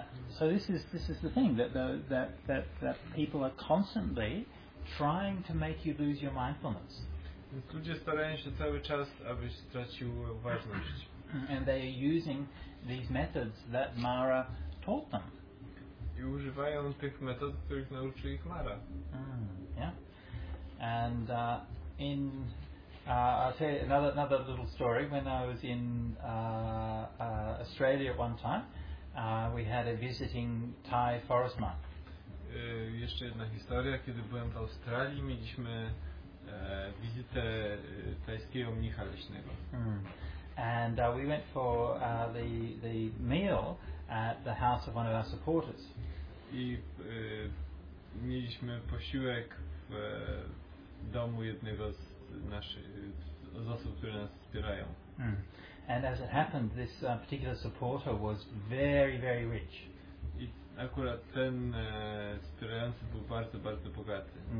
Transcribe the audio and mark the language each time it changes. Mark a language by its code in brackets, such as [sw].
[en] So this is the thing that people are constantly trying to make you lose your mindfulness. [pl] Ludzie starają się cały czas, abyś stracił uważność. [en] And they are using these methods that Mara taught them. [pl] I używają tych metod, których nauczył ich Mara. [en] Yeah. And in I'll tell you another little story. When I was in Australia at one time, we had a visiting Thai forest monk. [pl] Jeszcze jedna historia. Kiedy byłem w Australii, mieliśmy wizytę tajskiego mnicha leśnego. [en] And we went for the meal at the house of one of our supporters. [pl] I mieliśmy posiłek w domu jednego z naszych osób, które nas wspierają. [en] And as it happened, this particular supporter was very, very rich. [pl] I akurat ten wspierający był bardzo, bardzo bogaty.